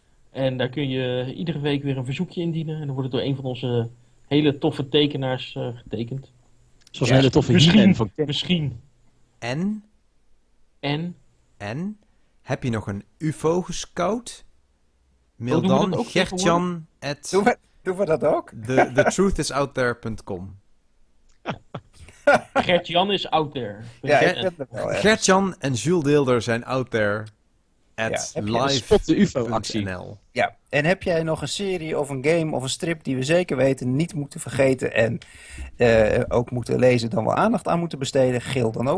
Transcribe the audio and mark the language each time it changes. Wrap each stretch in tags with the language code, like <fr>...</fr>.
<nl>En daar kun je iedere week weer een verzoekje indienen. En dan wordt het door een van onze hele toffe tekenaars getekend. Zoals een hele toffe misschien, van Kenny. Misschien. En? Heb je nog een UFO gescout? Mail dan Gert-Jan at... Doen we dat ook?</nl> <en>The truth is out there.com. Gert-Jan is out there.</en> <nl>Ja, wel, Gert-Jan en Jules Deelder zijn</nl> <en>out there</en> <nl>at live.nl. Ja. En heb jij nog een serie of een game of een strip die we zeker weten niet moeten vergeten en ook moeten lezen, dan wel aandacht aan moeten besteden, gil dan ook</nl>